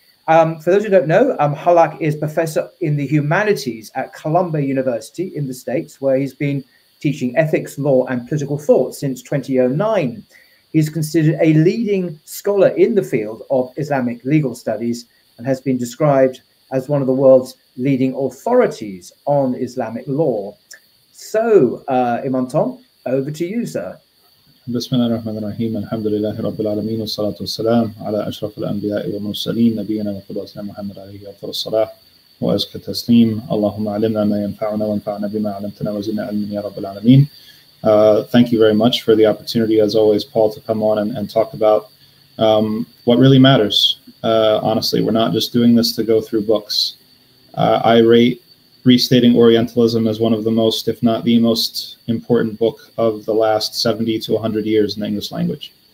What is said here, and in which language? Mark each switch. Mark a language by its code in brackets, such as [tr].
[en] For those who don't know, Hallaq is professor in the humanities at Columbia University in the States, where he's been teaching ethics, law, and political thought since 2009. He's considered a leading scholar in the field of Islamic legal studies and has been described as one of the world's leading authorities on Islamic law. So, Imam Tom, over to you, sir. [ar] بسم الله الرحمن الرحيم الحمد لله رب العالمين والصلاة والسلام على أشرف الأنبياء والمرسلين نبينا وقدوسنا محمد عليه أفضل الصلاة وأزكى التسليم اللهم علمنا ما ينفعنا وانفعنا بما علمتنا وزدنا علما يا رب العالمين. [en] Thank you very much for the opportunity, as always, Paul, to come on and talk about what really matters. Honestly, we're not just doing this to go through books. I rate Restating Orientalism as one of the most, if not the most important book of the last 70 to 100 years in the English language.